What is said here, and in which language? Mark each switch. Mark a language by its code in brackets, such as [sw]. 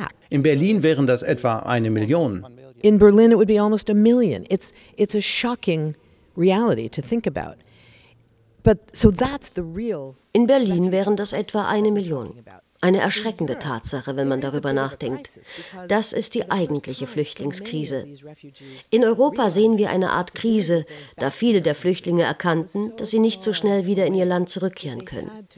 [de] In Berlin wären das etwa 1 Million. [en] In Berlin, it would be almost 1 million. It's a shocking reality to think about. But so that's the real. [de] In Berlin wären das etwa 1 Million. Eine erschreckende Tatsache, wenn man darüber nachdenkt. Das ist die eigentliche Flüchtlingskrise. In Europa sehen wir eine Art Krise, da viele der Flüchtlinge erkannten, dass sie nicht so schnell wieder in ihr Land zurückkehren können.